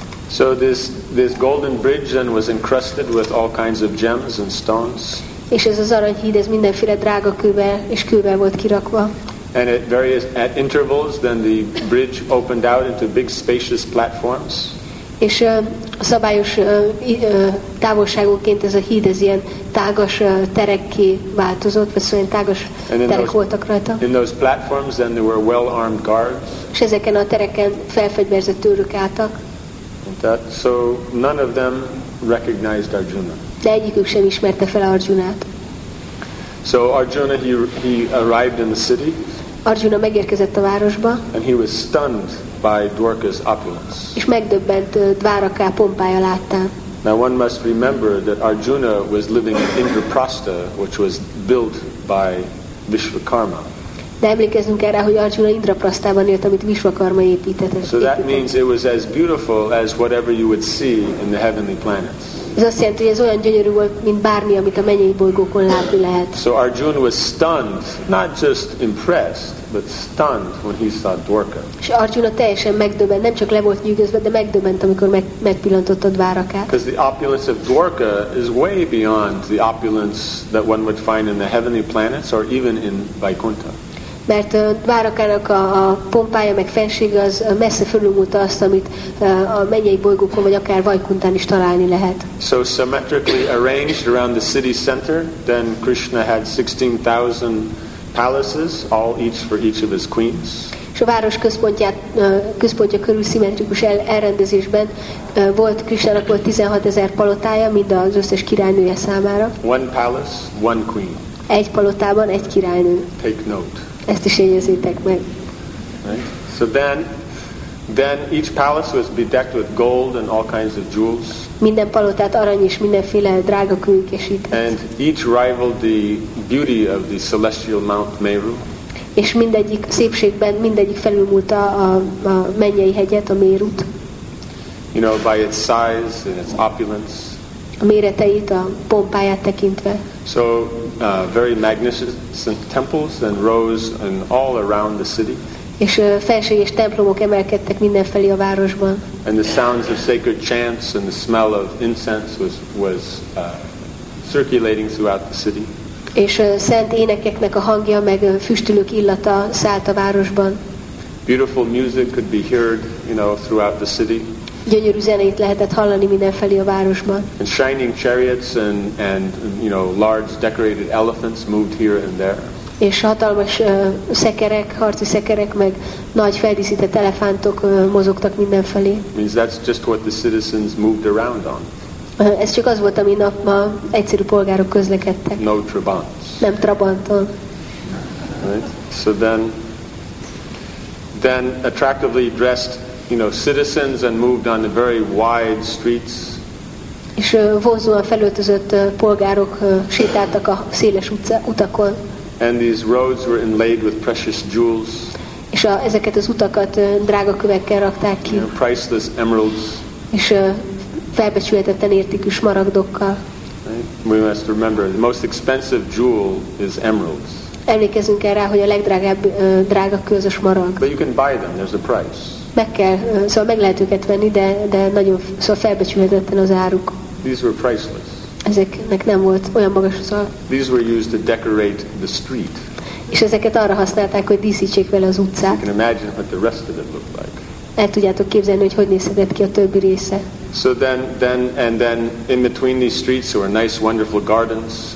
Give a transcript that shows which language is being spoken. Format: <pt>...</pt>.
<en>So this golden bridge then was encrusted with all kinds of gems and stones.</en> <hu>És ez az aranyhíd, ez mindenféle drága kővel és kővel volt kirakva.</hu> <en>And at various at intervals then the bridge opened out into big spacious platforms.</en> <hu>És szabályos távolságonként ez a híd ez ilyen tágas terekké változott, vagy szóval tágas terek voltak rajta.</hu> <en>In those platforms then there were well-armed guards.</en> <hu>És ezeken a tereken felfegyverzett őrök álltak.</hu> <en>So none of them recognized Arjuna.</en> <hu>De egyikük sem ismerte fel Arjunát.</hu> <en>So Arjuna he arrived in the city.</en> <hu>Arjuna megérkezett a városba.</hu> <en>And he was stunned by Dwarka's opulence.</en> <hu>És megdöbbent Dvárakát pompája láttán.</hu> <en>Now one must remember that Arjuna was living in Indraprastha, which was built by Vishvakarma.</en> <hu>De emlékezzünk erre, hogy Arjuna Indraprasztában élt, amit Vishvakarma épített.</hu> <en>So that means it was as beautiful as whatever you would see in the heavenly planets.</en> <hu>Ez azt jelenti, hogy ez olyan gyönyörű volt, mint bármi, amit a mennyei bolygókon látni lehet.</hu> <en>So Arjuna was stunned, not just impressed, but stunned when he saw Dwarka.</en> <hu>És Arjuna teljesen megdöbbent, nem csak le volt nyűgözve, de megdöbbent, amikor megpillantotta Dvárakát.</hu> <en>Because the opulence of Dwarka is way beyond the opulence that one would find in the heavenly planets or even in Vaikuntha.</en> <hu>Mert Dvárakának a pompája meg fensége az messze fölülmúlta azt, amit a mennyei bolygókon vagy akár Vaikunthán is találni lehet.</hu> <en>So symmetrically arranged around the city center, then Krishna had 16,000 palaces, all each for each of his queens.</en> <hu>És a város központja körül szimmetrikus elrendezésben volt Krishnának volt 16,000 palotája, mind az összes királynője számára.</hu> <en>One palace, one queen.</en> <hu>Egy palotában egy királynő.</hu> <en>Take note.</en> <hu>Ezt is jegyezzétek meg.</hu> <en>Right. So then each palace was bedecked with gold and all kinds of jewels.</en> <hu>Minden palotát arany és mindenféle drága kő kesített.</hu> <en>And each rivaled the beauty of the celestial Mount Meru.</en> <hu>És mindegyik szépségben mindegyik felülmúlta a mennyei hegyet, a Mérut.</hu> <en>You know, by its size and its opulence.</en> <hu>A méreteit, a pompáját tekintve.</hu> <en>So very magnificent temples then rose and all around the city.</en> <hu>És felséges templomok emelkedtek mindenfelé a városban.</hu> <en>And the sounds of sacred chants and the smell of incense was circulating throughout the city.</en> <hu>És szent énekeknek a hangja meg füstölők illata szállt a városban.</hu> <en>Beautiful music could be heard, you know, throughout the city.</en> <hu>Gyönyörű zenét lehetett hallani mindenfelé a városban.</hu> <en>And shining chariots and you know large decorated elephants moved here and there.</en> <hu>És hatalmas szekerek, harci szekerek meg nagy feldíszített elefántok mozogtak mindenfelé.</hu> <en>Means that's just what the citizens moved around on.</en> <hu>Ez csak az volt, amin a egyszerű polgárok közlekedtek.</hu> <en>No trabants.</en> <hu>Nem trabanton.</hu> <en>Right. So then attractively dressed, you know, citizens and moved on the very wide streets.</en> <hu>És vonzóan felöltözött polgárok sétáltak a széles utakon.</hu> <en>And these roads were inlaid with precious jewels.</en> <hu>És ezeket az utakat drága kövekkel rakták ki.</hu> <en>And priceless emeralds.</en> <hu>És felbecsületetten értékű smaragdokkal.</hu> <en>We must remember the most expensive jewel is emeralds.</en> <hu>Emlékezzünk erre, hogy a legdrágább drága kő az a smaragd.</hu> <en>But you can buy them. There's a price.</en> <hu>Meg kell, szóval meg lehet őket venni, de nagyon, szóval felbecsülhetetlen az áruk.</hu> <en>These were priceless.</en> <hu>Ezeknek nem volt olyan magas az ára.</hu> <en>These were used to decorate the street.</en> <hu>És ezeket arra használták, hogy díszítsék vele az utcát.</hu> <en>You can imagine what the rest of it looked like.</en> <hu>El tudjátok képzelni, hogy hogy nézhetett ki a többi része.</hu> <en>So then in between these streets were nice, wonderful gardens.</en>